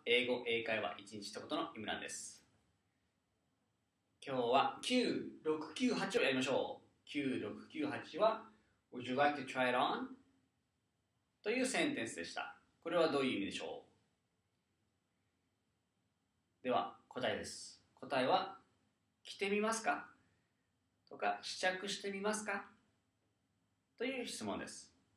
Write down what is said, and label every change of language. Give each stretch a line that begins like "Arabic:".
Japanese: 英語英会話1日1言の井村です。今日は9698をやりましょう。
English: 9698は Would you like to try it on?
Japanese: というセンテンスでした。これはどういう意味でしょう。では答えです。答えは着てみますかとか試着してみますかという質問です。